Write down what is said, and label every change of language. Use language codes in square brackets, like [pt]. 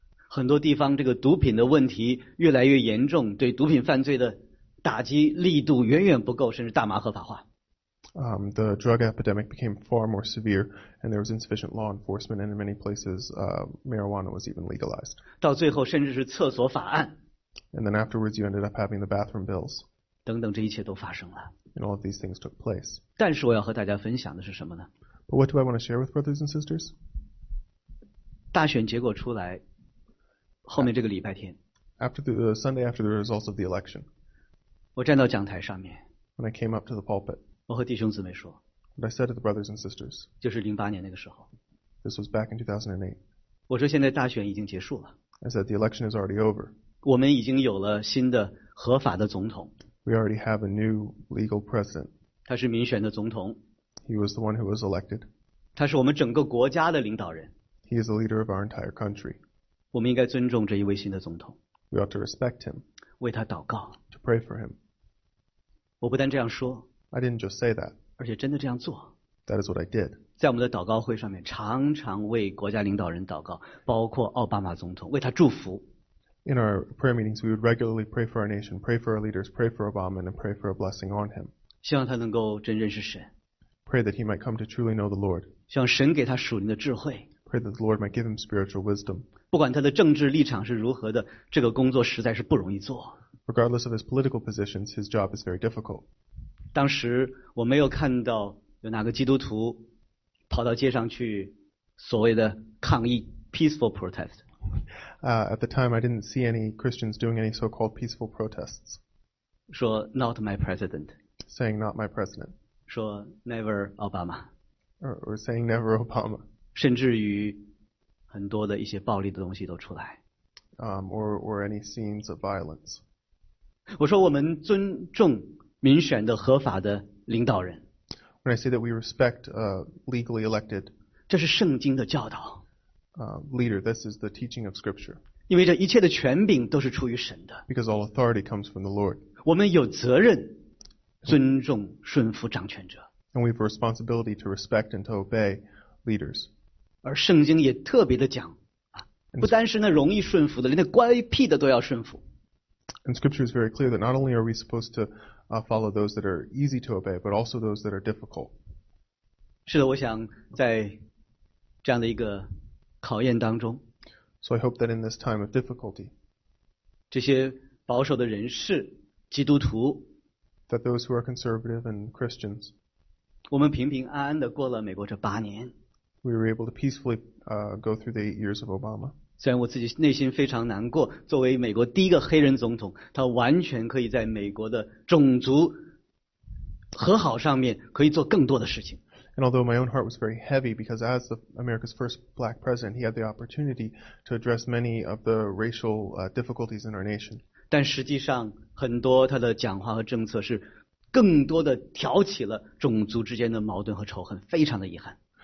[zh] 很多地方这个毒品的问题越来越严重，对毒品犯罪的打击力度远远不够，甚至大麻合法化。 [en] The drug epidemic became far more severe, and there was insufficient law enforcement, and in many places, marijuana was even legalized. [zh] 到最后甚至是厕所法案。 [en] And then afterwards, you ended up having the bathroom bills. [zh] 等等，这一切都发生了。 [en] And all of these things took place. [zh] 但是我要和大家分享的是什么呢？ [en] But what do I want to share with brothers and sisters? [zh] 大选结果出来，后面这个礼拜天。 [en] After the Sunday after the results of the election. [zh] 我站到讲台上面。 [en] When I came up to the pulpit. [zh] 我和弟兄姊妹说 [en] What I said to the brothers and sisters, [zh] 就是08年那个时候 [en] This was back in 2008. [zh] 我说现在大选已经结束了 [en] I said the election is already over. [zh] 我们已经有了新的合法的总统 [en] We already have a new legal president. [zh] 他是民选的总统 [en] He was the one who was elected. [zh] 他是我们整个国家的领导人 [en] He is the leader of our entire country. [zh] 我们应该尊重这一位新的总统 [en] We ought to respect him. [zh] 为他祷告 [en] To pray for him. [zh] 我不单这样说 [en] I didn't just say that. [zh] 而且真的这样做。 [en] That is what I did. [zh] 在我们的祷告会上面，常常为国家领导人祷告，包括奥巴马总统，为他祝福。 [en] In our prayer meetings, we would regularly pray for our nation, pray for our leaders, pray for Obama, and pray for a blessing on him. [zh] 希望他能够真认识神。 [en] Pray that he might come to truly know the Lord. [zh] 希望神给他属灵的智慧。 [en] Pray that the Lord might give him spiritual wisdom. [zh] 不管他的政治立场是如何的，这个工作实在是不容易做。 [en] Regardless of his political positions, his job is very difficult. [zh] 当时我没有看到有哪个基督徒跑到街上去所谓的抗议 [en] peaceful protest. At the time, I didn't see any Christians doing any so-called peaceful protests. 说 not my president. Saying not my president. 说 never Obama. Or saying never Obama. [zh] 甚至于很多的一些暴力的东西都出来。 [en] or any scenes of violence. [zh] 我说我们尊重民选的合法的领导人。 [en] When I say that we respect legally elected, [zh] 这是圣经的教导。 [en] Leader, this is the teaching of Scripture. [zh] 因为这一切的权柄都是出于神的。 [en] Because all authority comes from the Lord. [zh] 我们有责任尊重顺服掌权者。 [en] And we have a responsibility to respect and to obey leaders. [zh] 而圣经也特别的讲，不单是那容易顺服的，连那乖僻的都要顺服。 [en] And Scripture is very clear that not only are we supposed to follow those that are easy to obey, but also those that are difficult. [zh] 是的，我想在这样的一个考验当中。 [en] So I hope that in this time of difficulty, [zh] 这些保守的人士，基督徒， [en] that those who are conservative and Christians, [zh] 我们平平安安的过了美国这八年。 [en] We were able to peacefully go through the 8 years of Obama. [zh] 虽然我自己内心非常难过，作为美国第一个黑人总统，他完全可以在美国的种族和好上面可以做更多的事情。 [en] And although my own heart was very heavy because as the America's first black president, he had the opportunity to address many of the racial difficulties in our nation. [zh] 但实际上，很多他的讲话和政策是更多的挑起了种族之间的矛盾和仇恨，非常的遗憾。